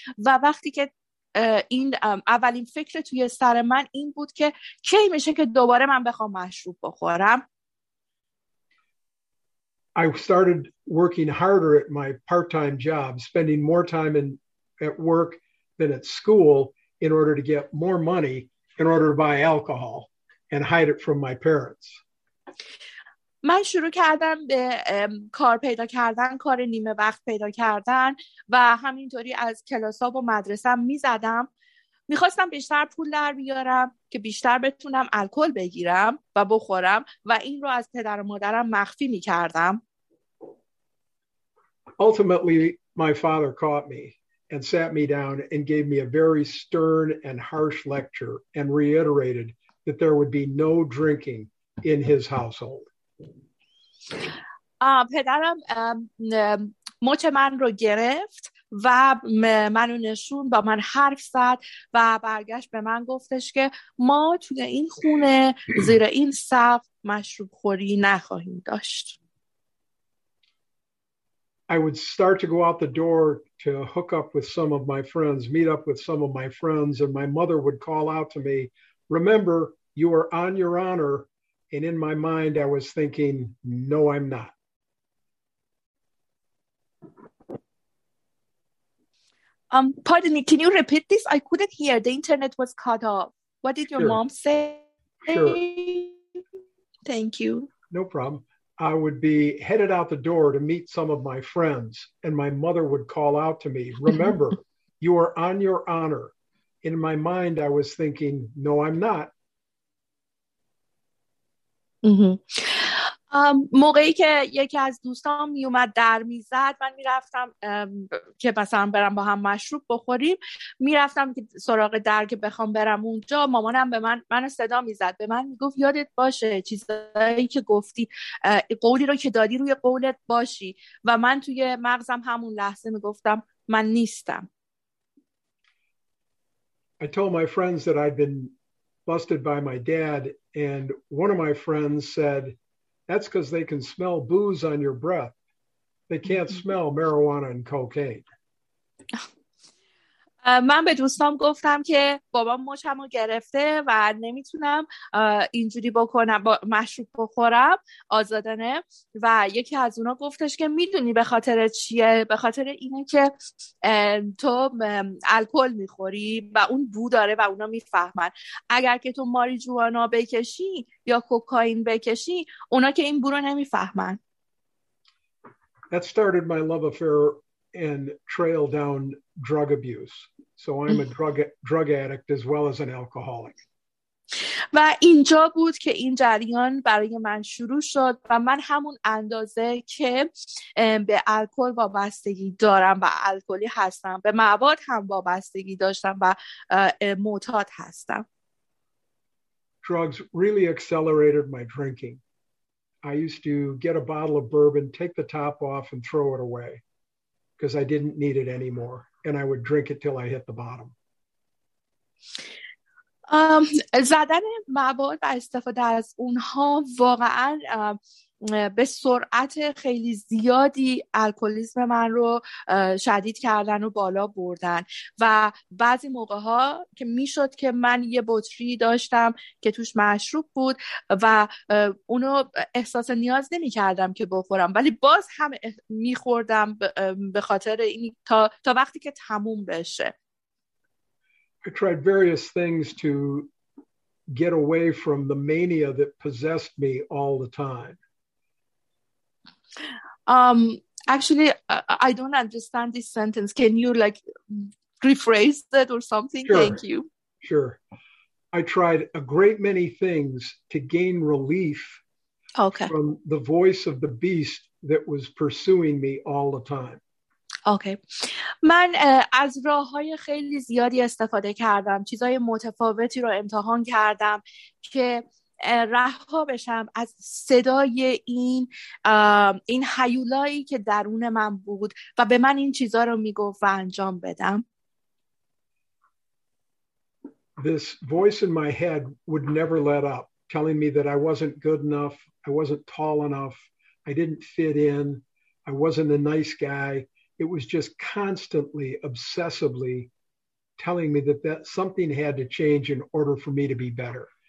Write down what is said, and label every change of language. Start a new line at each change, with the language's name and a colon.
Persian: و وقتی که این اولین فکر توی سر من این بود که کی میشه که دوباره من بخوام مشروب بخورم.
English: I started working harder at my part-time job, spending more time at work than at school in order to get more money in order to buy alcohol and hide it from my parents.
Persian: من شروع کردم به کار پیدا کردن، کار نیمه وقت پیدا کردن و همینطوری از کلاس ها و مدرسه هم می زدم. می خواستم بیشتر پول در بیارم که بیشتر بتونم الکل بگیرم و بخورم و این رو از پدر و مادرم مخفی می کردم.
English: Ultimately, my father caught me and sat me down and gave me a very stern and harsh lecture and reiterated that there would be no drinking in his household.
Persian: پدرم مچ من رو گرفت و منو نشون با من حرف زد و برگشت به من گفتش که ما توی این خونه زیر این سقف مشروب خوری نخواهیم داشت.
English: I would start to go out the door to hook up with some of my friends, meet up with some of my friends, and my mother would call out to me, "Remember, you are on your honor." And in my mind, I was thinking, no, I'm not. Pardon me, can you repeat this? I couldn't hear. The internet was cut off. What did your mom say? Sure. Thank you. No problem. I would be headed out the door to meet some of my friends, and my mother would call out to me, "Remember, you are on your honor." In my mind, I was thinking, "No, I'm not."
Persian: موقعی که یکی از دوستان می اومد در می زد، من می رفتم که مثلا برم با هم مشروب بخوریم، می رفتم که سراغ در که بخوام برم اونجا، مامانم به من صدا می زد، به من می گفت یادت باشه چیزایی که گفتی، قولی رو که دادی روی قولت باشی. و من توی مغزم همون لحظه می گفتم من نیستم.
English: I told my friends that I'd been busted by my dad, and one of my friends said, "That's because they can smell booze on your breath. They can't smell marijuana and cocaine."
Persian: من به دوستام گفتم که بابام مچمو گرفته و نمیتونم اینجوری بکنم با مشروب بخورم آزادانه، و یکی از اونا گفتش که میدونی به خاطر چیه؟ به خاطر اینه که تو الکل میخوری و اون بو داره و اونا میفهمن. اگر که تو ماریجوانا بکشی یا کوکائین بکشی، اونا که این بو رو نمیفهمن.
English: That started my love affair and trail down drug abuse. So I'm a drug addict as well as an alcoholic.
Persian: و اینجا بود که این جریان برای من شروع شد، و من همون اندازه که به الکل وابستگی دارم و الکلی هستم، به مواد هم وابستگی داشتم و معتاد هستم.
English: Drugs really accelerated my drinking. I used to get a bottle of bourbon, take the top off and throw it away, because I didn't need it anymore, and I would drink it till I hit the bottom.
Persian: زدن مواد و استفاده از اونها واقعا به سرعت خیلی زیادی الکلیسم من رو شدید کردن و بالا بردن، و بعضی موقع ها که می شد که من یه بطری داشتم که توش مشروب بود و اونو احساس نیاز نمی کردم که بخورم، ولی باز هم می خوردم به خاطر این تا وقتی که تموم بشه.
English: I tried various things to get away from the mania that possessed me all the time. Actually, I don't understand this sentence. Can you like rephrase that or something? Sure. Thank you. Sure. I tried a great many things to gain relief from the voice of the beast that was pursuing me all the time. Okay.
Persian: من از راه‌های خیلی زیادی استفاده کردم، چیزهای متفاوتی رو امتحان کردم که رها بشم از صدای این هیولایی که درون من بود و به من این چیزها رو میگفت و انجام بدم.
English: This voice in my head would never let up, telling me that I wasn't good enough, I wasn't tall enough, I didn't fit in, I wasn't a nice guy. It was just constantly, obsessively telling me that something had to change in order for me to be better.